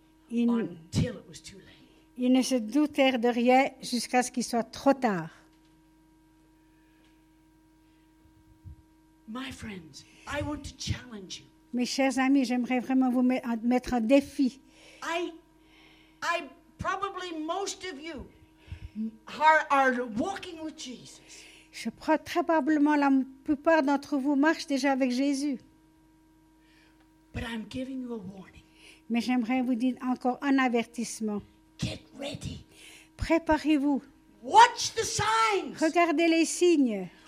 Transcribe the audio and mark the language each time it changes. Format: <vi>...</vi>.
<fr>Ils ne se doutèrent de rien jusqu'à ce qu'il soit trop tard.</fr> <en>My friends, I want to challenge you.</en> <fr>Mes chers amis, j'aimerais vraiment vous mettre en défi.</fr> <en>I probably most of you are walking with Jesus.</en> <fr>Je crois très probablement la plupart d'entre vous marchent déjà avec Jésus.</fr> <en>But I'm giving you a warning.</en> <fr>Mais j'aimerais vous dire encore un avertissement.</fr> <en>Get ready.</en> <fr>Préparez-vous.</fr> <en>Watch the signs.</en> <fr>Regardez les signes.</fr>